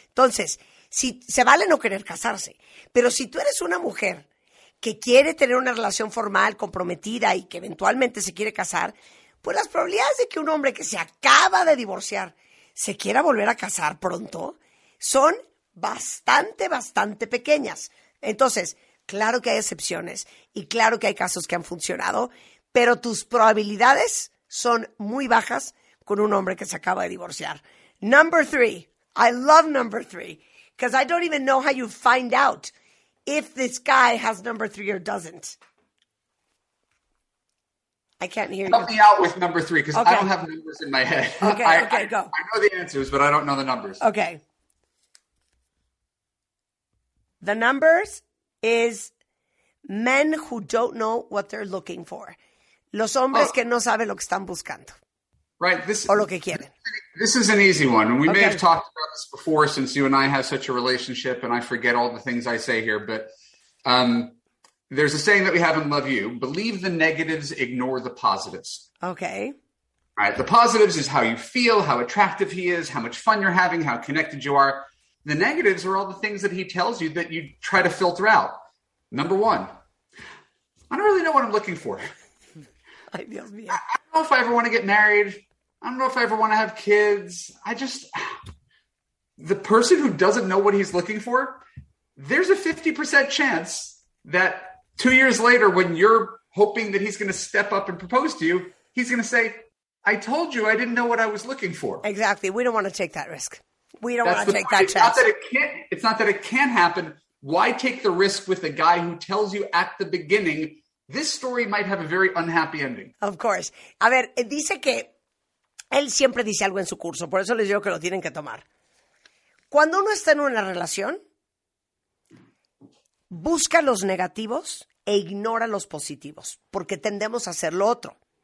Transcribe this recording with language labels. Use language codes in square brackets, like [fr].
[es] Entonces, si se vale no querer casarse, pero si tú eres una mujer que quiere tener una relación formal, comprometida y que eventualmente se quiere casar, pues las probabilidades de que un hombre que se acaba de divorciar se quiera volver a casar pronto son bastante, bastante pequeñas. Entonces, claro que hay excepciones y claro que hay casos que han funcionado, pero tus probabilidades son muy bajas con un hombre que se acaba de divorciar. [en] Number three. I love number three. Because I don't even know how you find out if this guy has number three or doesn't. I can't hear Help me out with number three, because okay. I don't have numbers in my head. Okay, go. I know the answers, but I don't know the numbers. Okay. The numbers is men who don't know what they're looking for. [es] Los hombres que no saben lo que están buscando. [en] Right. This, [es] o lo que quieren. [en] This is an easy one. And we may have talked about this before, since you and I have such a relationship, and I forget all the things I say here, but... there's a saying that we have in Love You: believe the negatives, ignore the positives. Okay. All right. The positives is how you feel, how attractive he is, how much fun you're having, how connected you are. The negatives are all the things that he tells you that you try to filter out. Number one, I don't really know what I'm looking for. I don't know if I ever want to get married. I don't know if I ever want to have kids. The person who doesn't know what he's looking for, there's a 50% chance that 2 years later, when you're hoping that he's going to step up and propose to you, he's going to say, I told you I didn't know what I was looking for. Exactly. We don't want to take that risk. We don't want to take that chance. It's not that it can't happen. Why take the risk with a guy who tells you at the beginning, this story might have a very unhappy ending? Of course. [es] A ver, dice que él siempre dice algo en su curso. Por eso les digo que lo tienen que tomar. Cuando uno está en una relación, busca los negativos e ignora los positivos, porque tendemos a hacer lo otro.